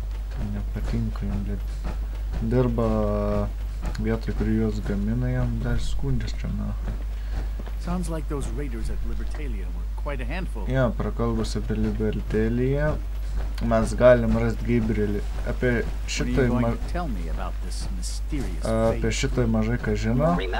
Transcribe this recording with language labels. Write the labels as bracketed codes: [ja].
[lt] Tai nepatinka jam, bet dirba vietoj, kur juos gamina, jam dar skundžias čia nachui. [en] Sounds like those raiders at Libertalia were quite a handful. [lt] Ja, prakalbus apie Libertalia, mes galim rasti Gabrielį. Apie šitai mažai ką žino.